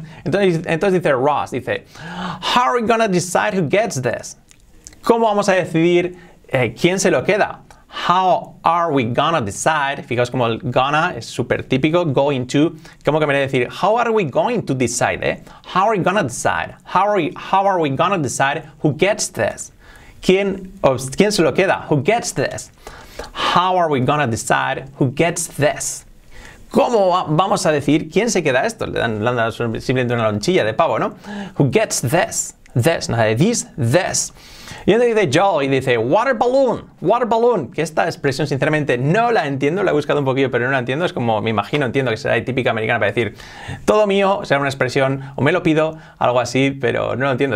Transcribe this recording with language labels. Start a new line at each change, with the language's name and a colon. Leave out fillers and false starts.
Spanish: Entonces dice Ross, dice,
English: how are we gonna decide who gets this?
Spanish: ¿Cómo vamos a decidir quién se lo queda?
English: How are we gonna decide?
Spanish: Fijaos como el gonna es súper típico.
English: Going to.
Spanish: ¿Cómo que me voy a decir?
English: How are we going to decide? How are we gonna decide? How are we gonna decide who gets this?
Spanish: ¿Quién se lo queda?
English: Who gets this? How are we gonna decide who gets this?
Spanish: ¿Cómo vamos a decir quién se queda esto? Le dan simplemente una lonchilla de pavo, ¿no?
English: Who gets this? This,
Spanish: no, this. Y entonces dice Joel y dice,
English: water balloon.
Spanish: Que esta expresión, sinceramente, no la entiendo. La he buscado un poquillo, pero no la entiendo. Es como, me imagino, entiendo que será típica americana para decir, todo mío, será una expresión, o me lo pido, algo así, pero no lo entiendo.